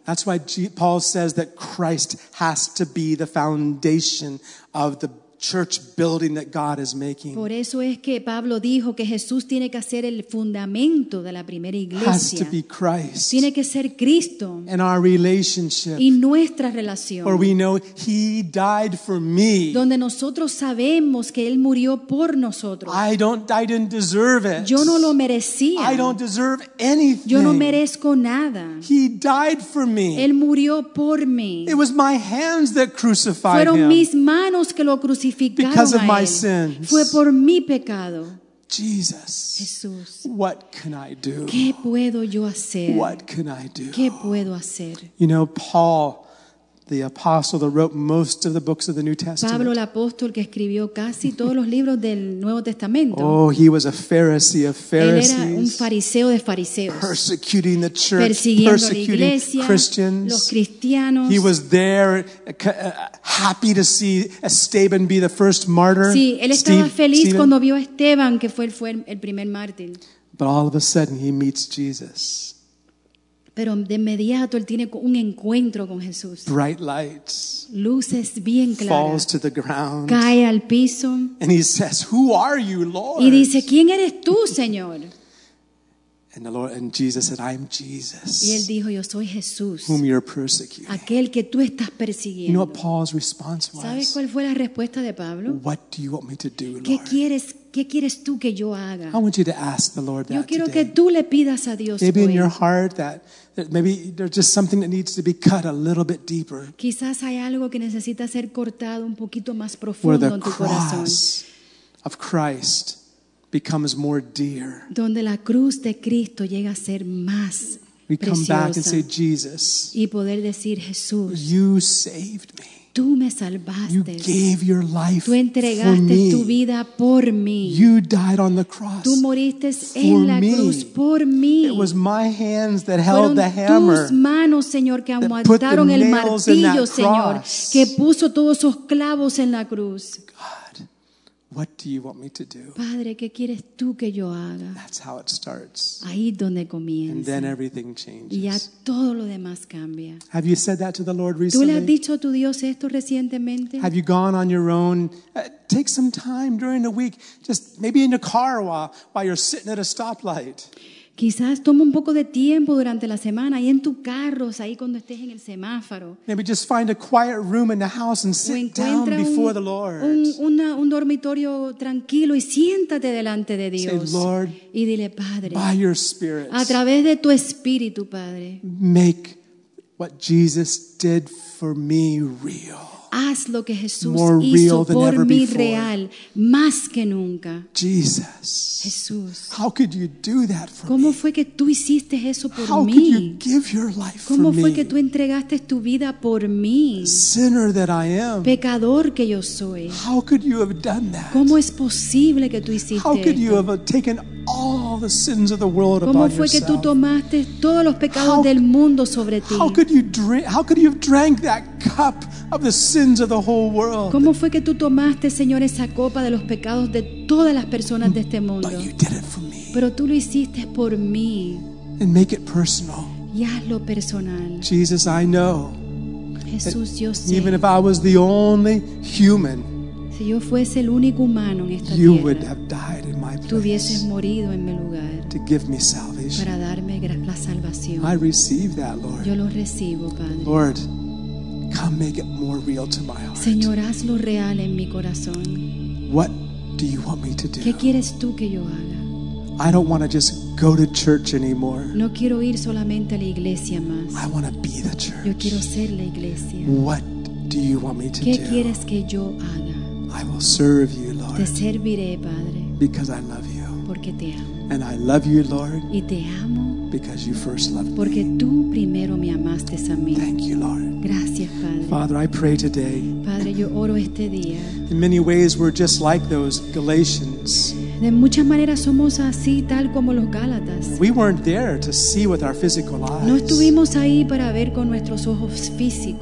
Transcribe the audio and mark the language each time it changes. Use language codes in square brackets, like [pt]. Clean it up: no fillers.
[en] That's why Paul says that Christ has to be the foundation of the church building that God is making. [es] Por eso es que Pablo dijo que Jesús tiene que ser el fundamento de la primera iglesia. [en] Has to be Christ. [es] Tiene que ser Cristo. [en] In our relationship. [es] Y nuestra relación. [en] For we know he died for me. [es] Donde nosotros sabemos que él murió por nosotros. [en] I didn't deserve it. [es] Yo no lo merecía. [en] I don't deserve anything. [es] Yo no merezco nada. [en] He died for me. [es] Él murió por mí. [en] It was my hands that crucified [es] fueron [en] him. [es] Mis manos que lo crucificaron. [en] Because of my sins. [es] Fue por mi pecado. [en] Jesus. [es] Jesús. [en] What can I do? [es] ¿Qué puedo yo hacer? [en] What can I do? [es] ¿Qué puedo hacer? [en] You know, Paul, the apostle that wrote most of the books of the New Testament. [es] Pablo, el apóstol que escribió casi todos los libros del Nuevo Testamento. [en] Oh, he was a Pharisee of Pharisees. [es] Él era un fariseo de fariseos. [en] Persecuting the church, [es] persiguiendo [en] persecuting [es] la iglesia, [en] Christians. [es] Los cristianos. [en] He was there happy to see Esteban be the first martyr. [es] Sí, él estaba feliz Stephen. Cuando vio a Esteban que fue el primer mártir. [en] But all of a sudden he meets Jesus. [es] Pero de inmediato él tiene un encuentro con Jesús. [en] Bright lights. [es] Luces bien claras. [en] Falls to the ground. [es] Cae al piso. [en] And he says, "Who are you, Lord?" [es] Y dice, "¿Quién eres tú, Señor?" [en] And the Lord and Jesus said, "I am Jesus." [es] Y él dijo, "Yo soy Jesús." [en] Whom you're persecuting. [es] Aquel que tú estás persiguiendo. [en] You know what Paul's response was? [es] ¿Sabes cuál fue la respuesta de Pablo? [en] What do you want me to do, Lord? [es] ¿Qué quieres ¿qué quieres tú que yo haga? [en] I want you to ask the Lord that [es] yo quiero que tú le pidas a Dios [en] maybe [es] hoy. [en] In your heart that maybe there's just something that needs to be cut a little bit deeper. [es] Quizás hay algo que necesita ser cortado un poquito más profundo en tu corazón. [en] Of Christ becomes more dear. [es] Donde la cruz de Cristo llega a ser más preciosa. [en] We come back and say, Jesus. [es] Y poder decir, Jesús. [en] You saved me. [es] Tú me salvaste. [en] You gave your life [es] tú entregaste [en] for me. [es] Tu vida por mí. [en] You died on the cross [es] tú moriste en la [en] me. [es] Cruz por mí. [en] It was my hands that held [es] fueron [en] the hammer [es] tus manos, Señor, que aguantaron el martillo, Señor, que puso todos esos clavos en la cruz. [en] God, what do you want me to do? [es] Padre, ¿qué quieres tú que yo haga? [en] That's how it starts. [es] Ahí donde comienza. [en] And then everything changes. [es] Y ya todo lo demás cambia. [en] Have you said that to the Lord recently? [es] ¿Tú le has dicho a tu Dios esto recientemente? [en] Have you gone on your own? Take some time during the week, just maybe in your car while you're sitting at a stoplight. [es] Quizás toma un poco de tiempo durante la semana ahí en tu carro, ahí cuando estés en el semáforo. [en] Maybe just find a quiet room in the house and sit down before the Lord. [es] Un dormitorio tranquilo y siéntate delante de Dios. [en] Say, Lord, [es] y dile, Padre, [en] by your spirit, [es] a través de tu espíritu, Padre, [en] make what Jesus did for me real. [es] Haz lo que Jesús hizo por mí real, más que nunca. [en] Jesus, [es] Jesús, [en] how could you do that for [es] ¿cómo [en] me? [es] Fue que tú hiciste eso por [en] how [es] mí? [en] Could you give your life [es] ¿cómo [en] for [es] fue [en] me? [es] Que tú entregaste tu vida por mí? [en] Sinner that I am, [es] pecador que yo soy. [en] How could you have done that? [es] ¿Cómo es posible que tú hiciste [en] how could [es] esto? [en] You have taken all the sins of the world [es] ¿cómo [en] upon [es] fue [en] yourself? [es] Que tú tomaste todos los pecados [en] how, [es] del mundo sobre ti? [en] How could you have drank that cup of the sins of the whole world. [es] ¿Cómo fue que tú tomaste, Señor, esa copa de los pecados de todas las personas de este mundo? [en] But you did it for me. [es] Pero tú lo hiciste por mí. [en] And make it personal. [es] Y hazlo personal. [en] Jesus, I know. [es] Jesús, yo sé. [en] Even if I was the only human, [es] si yo fuese el único humano en esta [en] you [es] tierra, [en] would have died in my place. [es] Tú hubieses morido en mi lugar. [en] To give me salvation. [es] Para darme la salvación. [en] I receive that, Lord. [es] Yo lo recibo, Padre. [en] Lord, come make it more real to my heart. [es] Señor, hazlo real en mi corazón. [en] What do you want me to do? [es] ¿Qué quieres tú que yo haga? [en] I don't want to just go to church anymore. [es] No quiero ir solamente a la iglesia más. [en] I want to be the church. [es] Yo quiero ser la iglesia. [en] What do you want me to [es] ¿qué [en] do? [es] ¿Qué quieres que yo haga? [en] I will serve you, Lord. [es] Te serviré, Padre. [en] Because I love you. [es] Porque te amo. [en] And I love you, Lord. [es] Y te amo. [en] Because you first loved me. [es] Porque tú primero me amaste a mí. [en] Thank you, Lord. [es] Gracias, Padre. [en] Father, I pray today. [es] Padre, yo oro este día. [en] In many ways, we're just like those Galatians. [es] De muchas maneras somos así, tal como los Gálatas. [en] We weren't there to see with our physical eyes. [es] No estuvimos ahí para ver con nuestros ojos físicos.